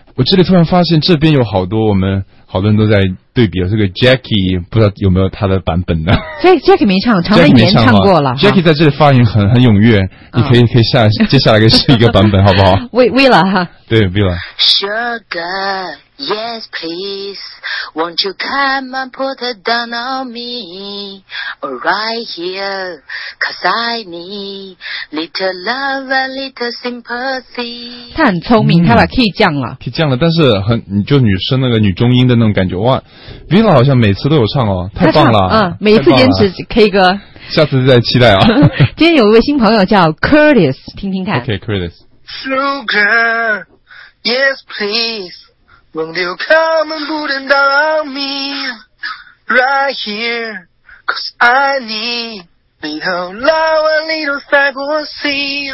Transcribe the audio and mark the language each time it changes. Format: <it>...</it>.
<zh>我这里突然发现这边有好多我们好多人都在对比这个 Jackie， 不知道有没有他的版本呢？所以 Jackie 没唱，常文言唱过了。 Jackie 在这里发音很踊跃，你可以下接下来是一个版本，好不好？为了哈，对，为了。</zh> <en>Sugar。 Yes, please. Won't you come and put it down on me? Right here, 'cause I need little love and little sympathy.</en> <zh>他很聪明，他把 key 降了。 key 降了，但是很就女生那个女中音的那种感觉，哇 ！Villa 好像每次都有唱哦，太棒了。每次坚持 K 歌。下次再期待啊！今天有一位新朋友叫 Curtis， 听听看。</zh> <en>Okay, Curtis. Sugar, yes, please. Won't you come and put it down on me right here? 'Cause I need little love and little sympathy.</en>